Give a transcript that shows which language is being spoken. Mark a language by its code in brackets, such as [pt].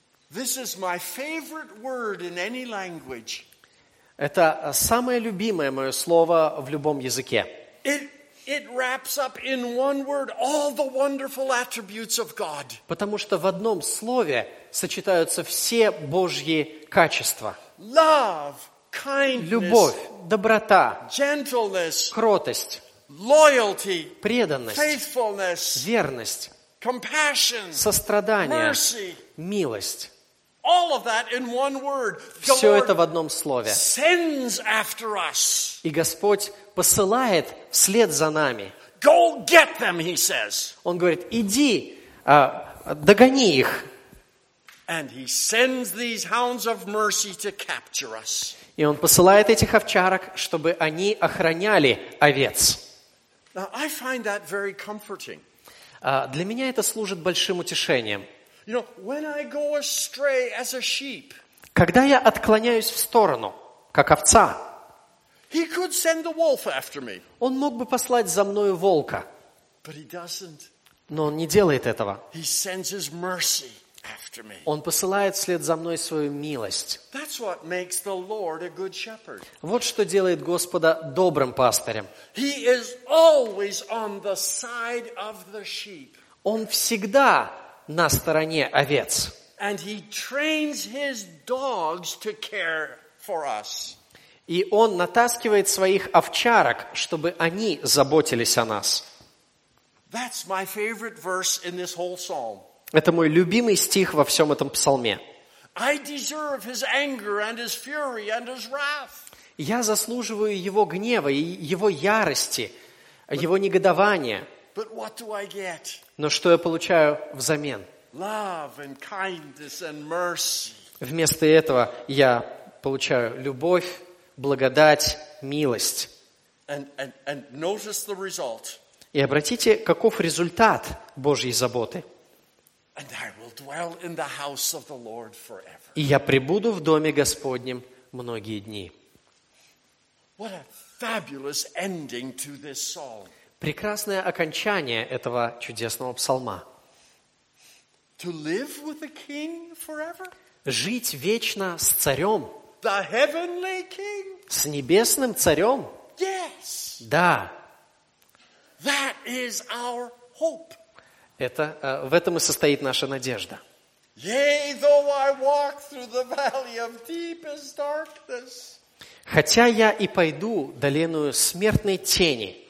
[en] This is my favorite word in any language. [ru] Это самое любимое мое слово в любом языке. [en] It wraps up in one word all the wonderful attributes of God. [ru] Потому что в одном слове сочетаются все Божьи качества. [en] Love, kindness, [ru] любовь, доброта, [en] gentleness, [ru] кротость, [en] loyalty, [ru] преданность, [en] faithfulness, [ru] верность, [en] compassion, [ru] сострадание, [en] mercy, [ru] милость. [en] All of that in one word. [ru] Все это в одном слове. [en] Sends after us. [ru] И Господь посылает вслед за нами. [en] Go get them, he says. [ru] Он говорит, иди, догони их. [en] And he sends these hounds of mercy to capture us. [ru] И Он посылает этих овчарок, чтобы они охраняли овец. [en] Now, I find that very comforting. [ru] Для меня это служит большим утешением. [en] You know, when I go astray as a sheep, [ru] когда я отклоняюсь в сторону, как овца, [en] he could send the wolf after me. [ru] Он мог бы послать за мною волка, [en] but he doesn't. [ru] Но он не делает этого. [en] He sends his mercy after me. [ru] Он посылает вслед за мной свою милость. [en] That's what makes the Lord a good shepherd. [ru] Вот что делает Господа добрым пастырем. [en] He is always on the side of the sheep. [ru] Он всегда на стороне овец. [en] And he trains his dogs to care for us. [ru] И он натаскивает своих овчарок, чтобы они заботились о нас. [en] That's my favorite verse in this whole psalm. [ru] Это мой любимый стих во всем этом псалме. [en] I deserve his anger and his fury and his wrath. [ru] Я заслуживаю его гнева и его ярости, его негодования. [en] But what do I get? [ru] Но что я получаю взамен? [en] Love and kindness and mercy. [ru] Вместо этого я получаю любовь, благодать, милость. [en] And notice the result. [ru] И обратите, каков результат Божьей заботы. [en] And I will dwell in the house of the Lord forever. [ru] И я пребуду в доме Господнем многие дни. [en] What a fabulous ending to this psalm. [ru] Прекрасное окончание этого чудесного псалма. [en] To live with the king forever? [ru] Жить вечно с царем. [en] The heavenly king? [ru] С небесным царем. [en] Yes. [ru] Да. [en] That is our hope. [ru] Это, в этом и состоит наша надежда. [en] Yea, though I walk through the valley of deepest darkness. [ru] Хотя я и пойду долиною смертной тени.